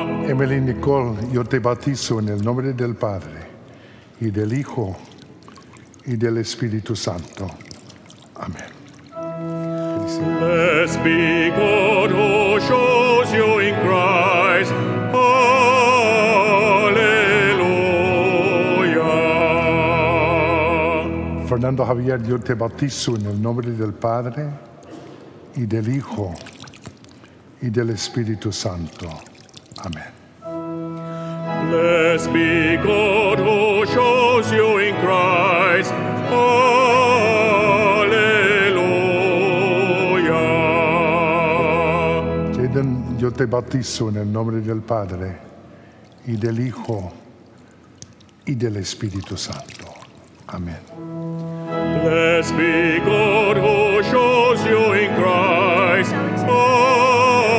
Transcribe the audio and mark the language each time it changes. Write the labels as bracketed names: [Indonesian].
[Spanish] Emily Nicole, yo te bautizo en el nombre del Padre, y del Hijo, y del Espíritu Santo. Amen. [English] Blessed be God who shows you in Christ. Alleluia. [Spanish] Fernando Javier, yo te bautizo en el nombre del Padre, y del Hijo, y del Espíritu Santo. Amen. [English] Blessed be God who shows you in Christ. Alleluia. [Spanish] Jaden, yo te bautizo en el nombre del Padre, y del Hijo, y del Espíritu Santo. Amen. [English] Blessed be God who shows you in Christ. Alleluia.